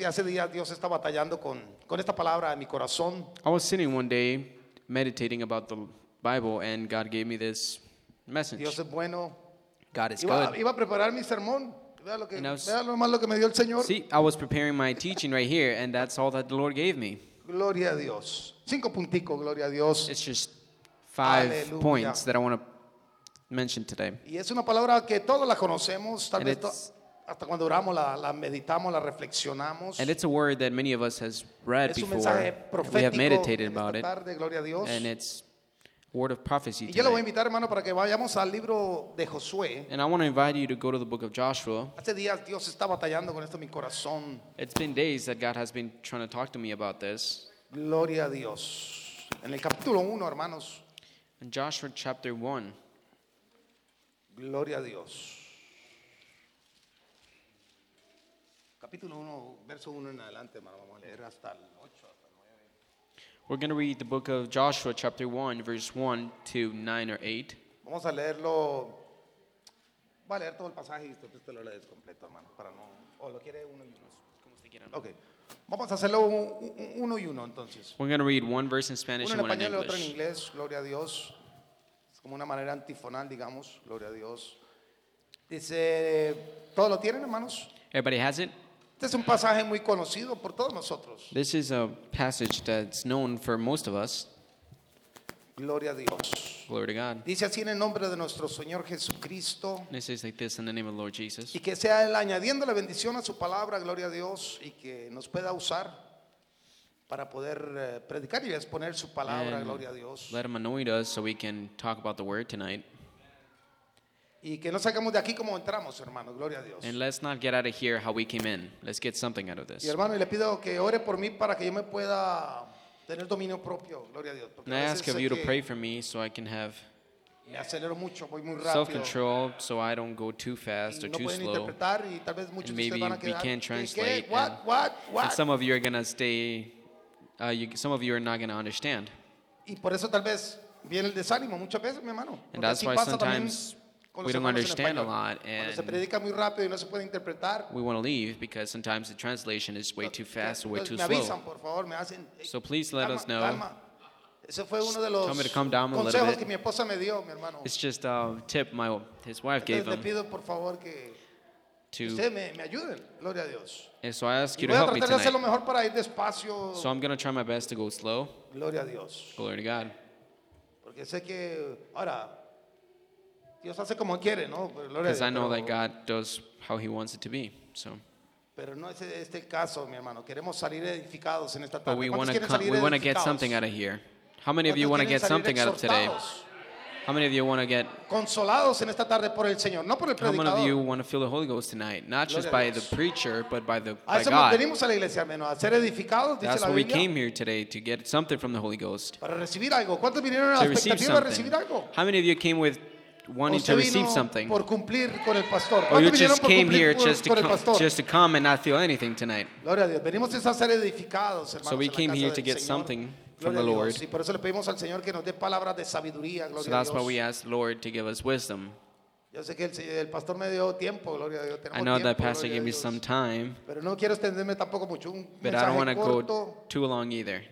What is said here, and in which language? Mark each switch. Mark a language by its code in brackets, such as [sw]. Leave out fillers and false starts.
[es] Hace días Dios está batallando con esta palabra en mi corazón. [en] I was sitting one day meditating about the Bible and God gave me this message. [es] Dios es bueno. [en] God is [es] good. Iba a preparar mi sermón. Vea lo más lo que me dio el Señor. [en] See, I was preparing my teaching right here and that's all that the Lord gave me. [es] Gloria a Dios. Cinco puntico, gloria a Dios. [en] It's just five [es] Aleluya. [en] Points that I want to mentioned today. [es] Y es una palabra que todos la conocemos, tal vez hasta cuando oramos la meditamos, la reflexionamos. [en] And it's a word that many of us has read before. [es] Es un mensaje profético. [en] We have meditated about [es] it. Gloria a Dios. [en] And it's word of prophecy today. [es] Y yo le voy a invitar, hermano, para que vayamos al libro de Josué. [en] And I want to invite you to go to the book of Joshua. [es] Hace días Dios está batallando con esto en mi corazón. [en] It's been days that God has been trying to talk to me about this. [es] Gloria a Dios. En el capítulo 1, hermanos. [en] In Joshua chapter 1. [es] Gloria a Dios. Capítulo 1, verso 1 en adelante, hermano. Vamos a leer hasta el 8. [en] We're going to read the book of Joshua, chapter 1, verse 1 to 9 or 8. [es] Vamos a leerlo. Va a leer todo el pasaje y después te lo lees completo, hermano. Para no. O lo quiere uno y uno. Como usted quiera. Okay. Vamos a hacerlo uno y uno, entonces. [en] We're going to read one verse in Spanish and one in English. [es] Uno en español y otro en inglés. Gloria a Dios. Es como una manera antifonal, digamos. Gloria a Dios. Dice, ¿todo lo tienen, hermanos? [en] Everybody has it? [es] Este es un pasaje muy conocido por todos nosotros. [en] This is a passage that's known for most of us. [es] Gloria a Dios. [en] Glory to God. [es] Dice así en el nombre de nuestro Señor Jesucristo. [en] It says like this in the name of Lord Jesus. [es] Y que sea él añadiendo la bendición a su palabra, gloria a Dios, y que nos pueda usar para poder predicar y exponer su palabra, [en] and [es] gloria a Dios. [en] Let him anoint us so we can talk about the word tonight. [es] Y que no salgamos de aquí como entramos, hermano. Gloria a Dios. [en] And let's not get out of here how we came in. Let's get something out of this. [es] Y hermano, le pido que ore por mí para que yo me pueda tener dominio propio. Gloria a Dios. [en] And I ask of you to pray for me so I can have [es] me acelero mucho, voy muy rápido. [en] Self-control so I don't go too fast or [es] no [en] too slow. [es] Interpretar y tal vez muchos [en] and maybe [es] van a quedar, [en] we can't translate. What? And some of you are going to stay, some of you are not going to understand. [es] Y por eso tal vez viene el desánimo muchas veces, mi hermano. [en] And that's why sometimes we don't understand a lot, and [es] no se puede interpretar. [en] We want to leave because sometimes the translation is way too fast or way too [es] avisan, [en] slow. [es] Por favor, me hacen, [en] so please let [es] calma, [en] us know. [es] Eso fue uno de los [en] tell me to calm down a little bit. [es] Que mi esposa me dio, mi hermano. [en] It's just a tip his wife [es] entonces, [en] gave him. [es] Le pido, por favor, que [en] to [es] me ayuden. Gloria a Dios. [en] And so I ask you [es] y voy [en] to help [es] a [en] me tonight. [es] Hacer lo mejor para ir despacio. [en] So I'm going to try my best to go slow. [es] Gloria a Dios. [en] Glory to God. [es] Porque sé que ahora Dios hace como quiere, ¿no? Gloria. [en] Because I know that God does how he wants it to be. So. [es] Pero no es este caso, mi hermano. Queremos salir edificados en esta tarde. [en] But we want to get something out of here. How many of you want to get something out of today? How many of you want to get [es] consolados en esta tarde por el Señor, no por el predicador? [en] How many of you want to feel the Holy Ghost tonight, not just by the preacher, but by the by God? [es] A eso venimos a la iglesia, hermano, a ser edificados, dice la Biblia. [en] That's why we came here today, to get something from the Holy Ghost. [es] Para recibir algo. ¿Cuántos vinieron a la expectativa de recibir algo? [en] How many of you came with wanting to receive something? [es] Por cumplir con el pastor. [en] Or you just came here just to come and not feel anything tonight. [es] Gloria a Dios. Venimos a ser edificados, hermanos. [en] So we came here to get something from the Lord. [es] Y por eso le pedimos al Señor que nos dé palabras de sabiduría. Gloria a Dios. [en] So that's why we ask the Lord to give us wisdom. [es] Yo sé que el pastor me dio tiempo. Gloria a Dios. [en] I know that pastor gave me some time. [es] Pero no quiero extenderme tampoco mucho. [en] But I don't want to go too long either.